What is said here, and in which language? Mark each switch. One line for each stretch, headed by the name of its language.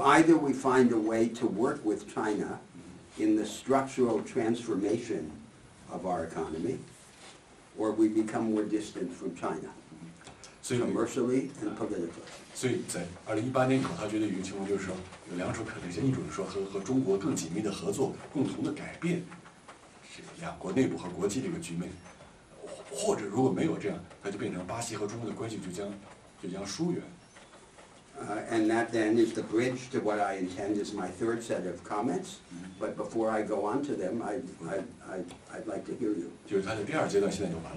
English: either we find a way to work with China in the structural transformation of our economy, or we become more distant from China, commercially and politically.
Chinese: 所以在2018年以后，他觉得有情况，就是说有两种可能性，一种是说和中国更紧密的合作，共同的改变两国内部和国际这个局面，或者如果没有这样，那就变成巴西和中国的关系就将疏远。
English: And that then is the bridge to what I intend is my third set of comments. But before I go on to them, I'd like to hear you.